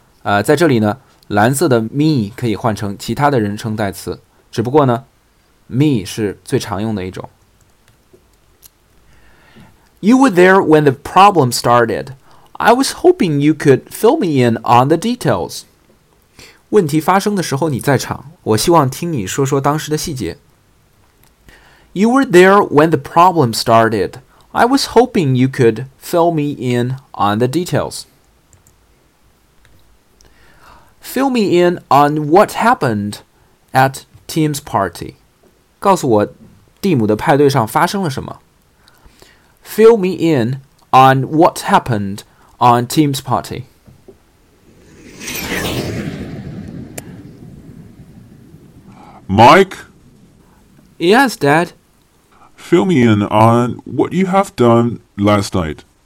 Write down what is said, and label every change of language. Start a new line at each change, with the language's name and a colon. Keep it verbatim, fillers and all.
Chinese: 呃，在这里呢，蓝色的 me 可以换成其他的人称代词，只不过呢 me 是最常用的一种。
English: You were there when the problem started. I was hoping you could fill me in on the details.
Chinese: 问题发生的时候你在场，我希望听你说说当时的细节。
English: You were there when the problem started. I was hoping you could fill me in on the details. Fill me in on what happened at Tim's party.
Chinese: 告诉我蒂姆的派对上发生了什么。
English: Fill me in on what happened on Tim's party. Mike? Yes, Dad? Fill me in on what you have done last night.